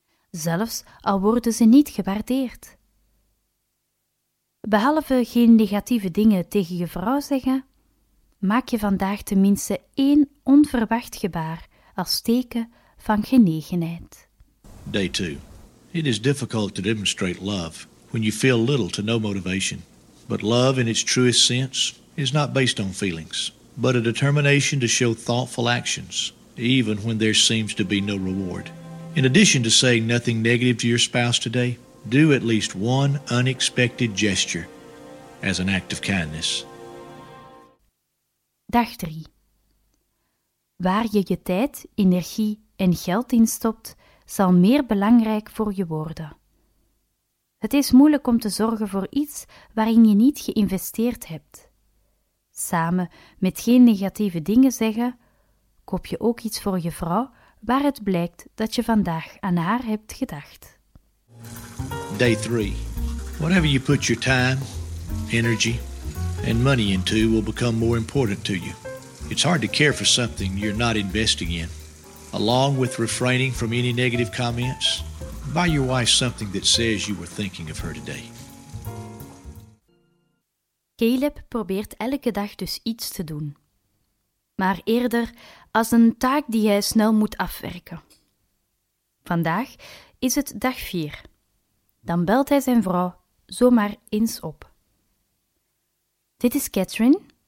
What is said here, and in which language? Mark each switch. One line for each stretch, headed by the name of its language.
Dutch: zelfs al worden ze niet gewaardeerd. Behalve geen negatieve dingen tegen je vrouw zeggen, maak je vandaag tenminste één onverwacht gebaar als teken van genegenheid.
English: Day 2. It is difficult to demonstrate love when you feel little to no motivation. But love in its truest sense is not based on feelings, but a determination to show thoughtful actions, even when there seems to be no reward. In addition to saying nothing negative to your spouse today, do at least one unexpected gesture as an act of kindness.
Dutch: Dag 3. Waar je je tijd, energie en geld in stopt, zal meer belangrijk voor je worden. Het is moeilijk om te zorgen voor iets waarin je niet geïnvesteerd hebt. Samen met geen negatieve dingen zeggen, koop je ook iets voor je vrouw waar het blijkt dat je vandaag aan haar hebt gedacht.
English: Day 3. Whatever you put your time, energy and money into will become more important to you. It's hard to care for something you're not investing in. Along with refraining from any negative comments, buy your wife something that says you were thinking of her today.
Dutch: Caleb probeert elke dag dus iets te doen. Maar eerder als een taak die hij snel moet afwerken. Vandaag is het dag 4. Dan belt hij zijn vrouw zomaar eens op. Dit is Catherine.